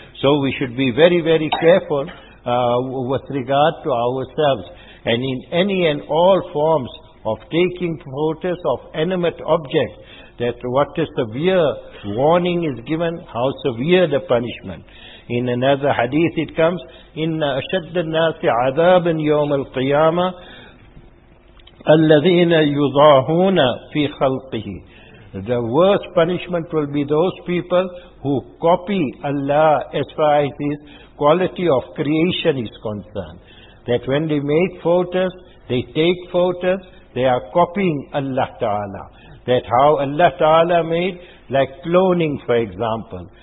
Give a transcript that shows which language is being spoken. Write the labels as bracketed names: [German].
[English] So we should be very, very careful with regard to ourselves. And in any and all forms of taking photos of inanimate objects, that what a severe warning is given, how severe the punishment. In another hadith it comes, [Arabic] إِنَّ أَشَدَّ النَّاسِ عَذَابًا يَوْمَ الْقِيَامَةِ الَّذِينَ يُضَاهُونَ فِي خَلْقِهِ. [English] The worst punishment will be those people who copy Allah as far as His quality of creation is concerned. That when they make photos, they take photos, they are copying Allah Ta'ala. That how Allah Ta'ala made, like cloning for example.